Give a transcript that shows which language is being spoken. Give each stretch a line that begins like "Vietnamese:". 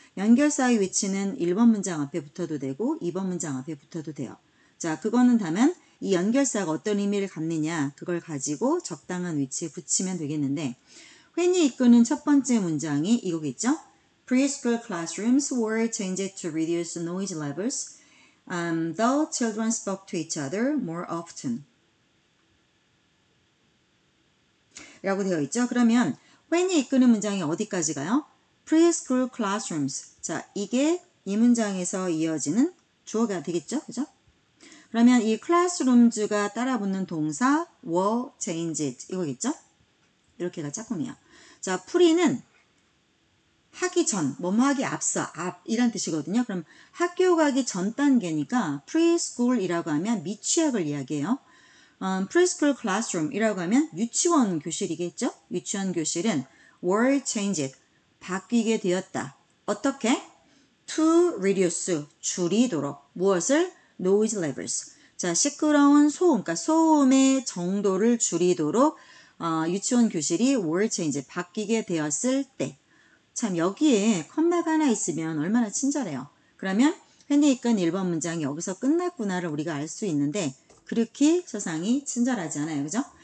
Korean: 연결사의 위치는 1번 문장 앞에 붙어도 되고 2번 문장 앞에 붙어도 돼요. 자, 그거는 다만 이 연결사가 어떤 의미를 갖느냐 그걸 가지고 적당한 위치에 붙이면 되겠는데 when이 이끄는 첫 번째 문장이 이거겠죠?
English: Preschool classrooms were changed to reduce noise levels. The children spoke to each other more often.
Korean: 라고 되어 있죠? 그러면 when이 이끄는 문장이 어디까지 가요?
English: preschool classrooms.
Korean: 자, 이게 이 문장에서 이어지는 주어가 되겠죠? 그죠? 그러면 이 classrooms가 따라 붙는 동사 were changed. 이거겠죠? 이렇게가 짝꿍이에요. 자, pre는 하기 전, 뭐뭐 하기 앞서, 앞, 이란 뜻이거든요. 그럼 학교 가기 전 단계니까 preschool이라고 하면 미취학을 이야기해요. preschool classroom이라고 하면 유치원 교실이겠죠? 유치원 교실은 were changed, 바뀌게 되었다. 어떻게? to reduce, 줄이도록. 무엇을?
English: noise levels.
Korean: 자, 시끄러운 소음, 그러니까 소음의 정도를 줄이도록 유치원 교실이 were changed, 바뀌게 되었을 때. 참, 여기에 컴마가 하나 있으면 얼마나 친절해요. 그러면 흔히 읽은 1번 문장이 여기서 끝났구나를 우리가 알 수 있는데 그렇게 세상이 친절하지 않아요. 그죠?